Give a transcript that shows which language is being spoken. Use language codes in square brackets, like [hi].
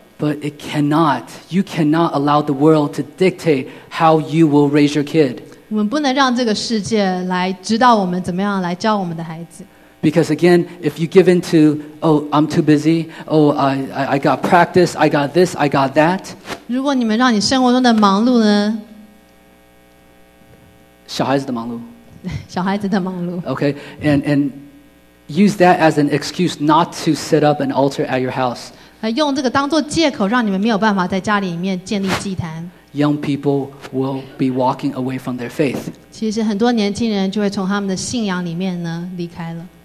[en] But it cannot. You cannot allow the world to dictate how you will raise your kid. [zh] 我们不能让这个世界来指导我们怎么样来教我们的孩子。 [en] Because again, if you give in to, oh, I'm too busy. Oh, I got practice. I got this. I got that. [zh] 如果你们让你生活中的忙碌呢？小孩子的忙碌。小孩子的忙碌。 [en] Okay, and. Use that as an excuse not to set up an altar at your house. [zh] 用这个当作借口，让你们没有办法在家里面建立祭坛。 [en] Young people will be walking away from their faith. [zh] 其实很多年轻人就会从他们的信仰里面呢离开了。